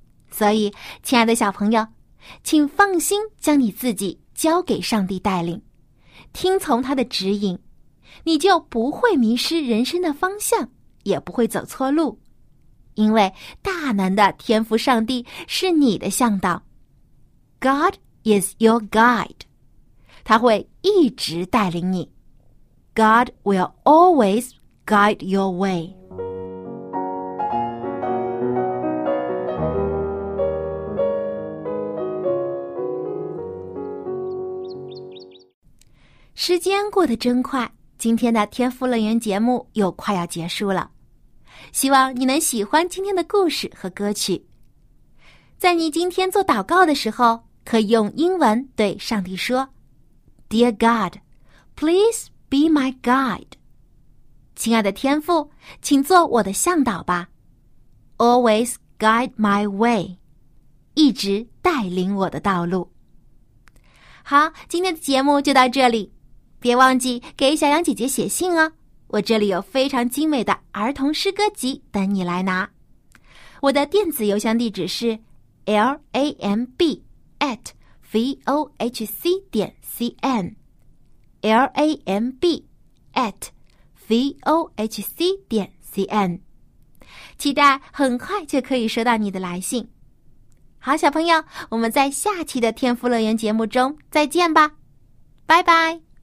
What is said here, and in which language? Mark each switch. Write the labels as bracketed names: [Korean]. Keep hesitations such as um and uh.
[Chinese] 所以，亲爱的小朋友，请放心将你自己交给上帝带领，听从他的指引，你就不会迷失人生的方向，也不会走错路，因为大能的天父上帝是你的向导， [English] God is your guide， [Chinese] 他会一直带领你。 [English] God will always guide your way. [Chinese] 时间过得真快，今天的天赋乐园节目又快要结束了。希望你能喜欢今天的故事和歌曲。在你今天做祷告的时候，可以用英文对上帝说： [English] “Dear God, please。 ” Be my guide， [Chinese] 亲爱的天父，请做我的向导吧。 [English] Always guide my way， [Chinese] 一直带领我的道路。好，今天的节目就到这里，别忘记给小羊姐姐写信哦。我这里有非常精美的儿童诗歌集等你来拿。我的电子邮箱地址是 lamb at vohc 点 cn。 L A M B at v o h c 点 c n，期待很快就可以收到你的来信。好，小朋友，我们在下期的天赋乐园节目中再见吧，拜拜。